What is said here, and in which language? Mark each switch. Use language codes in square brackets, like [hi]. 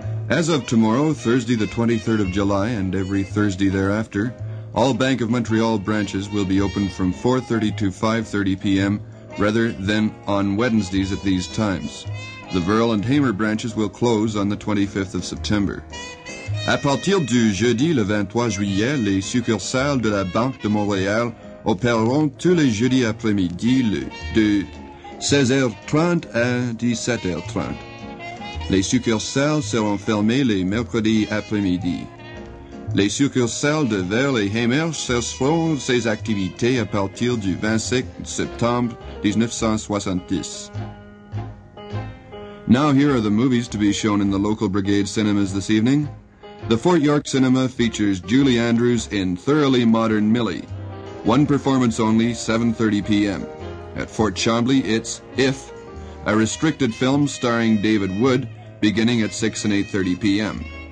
[en] As of tomorrow, Thursday the 23rd of July, and every Thursday thereafter, all Bank of Montreal branches will be open from 4:30 to 5:30 p.m. rather than on Wednesdays at these times. The Verl and Hamer branches will close on the 25th of September. [fr] À partir du jeudi le 23 juillet, les succursales de la Banque de Montréal opéreront tous les jeudis après-midi de 16h30 à 17h30. Les succursales seront fermées les mercredis après-midi. Les succursales de Verl et Hamer cesseront ses activités à partir du 25 septembre 1970. [en] Now here are the movies to be shown in the local brigade cinemas this evening. The Fort York Cinema features Julie Andrews in Thoroughly Modern Millie. One performance only, 7:30 p.m. At Fort Chambly, it's If, a restricted film starring David Wood, beginning at 6 and 8:30 p.m.